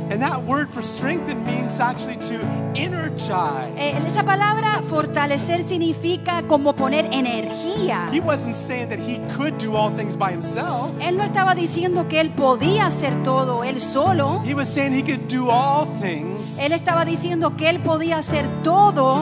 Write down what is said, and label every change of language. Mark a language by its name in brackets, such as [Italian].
[English] And that word for strengthen means actually to energize. [Spanish] Esa palabra fortalecer significa como poner energía. [English] He wasn't saying that he could do all things by himself. [Spanish] Él no estaba diciendo que él podía hacer todo él solo. [English] He was saying he could do all things. [Spanish] Él estaba diciendo que él podía hacer todo.